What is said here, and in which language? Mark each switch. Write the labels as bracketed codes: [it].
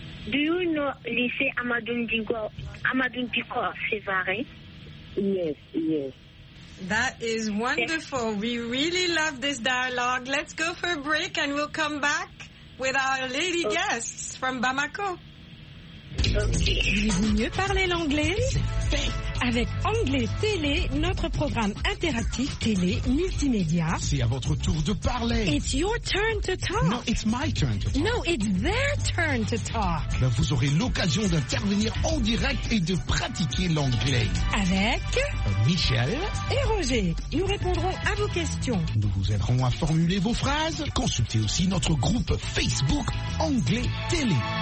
[en] Do you know Lycée Amadou Diko Sevare? Yes. That is wonderful. Yes. We really love this dialogue. Let's go for a break and we'll come back with our lady guests from Bamako. [fr] Voulez-vous mieux parler l'anglais? Avec Anglais Télé, notre programme interactif télé multimédia. C'est à votre tour de parler. [en] It's your turn to talk. No, it's my turn to talk. No, it's their turn to talk. [fr] Ben, vous aurez l'occasion d'intervenir en direct et de pratiquer l'anglais. Avec Michel et Roger. Nous répondrons à vos questions. Nous vous aiderons à formuler vos phrases. Consultez aussi notre groupe Facebook Anglais Télé.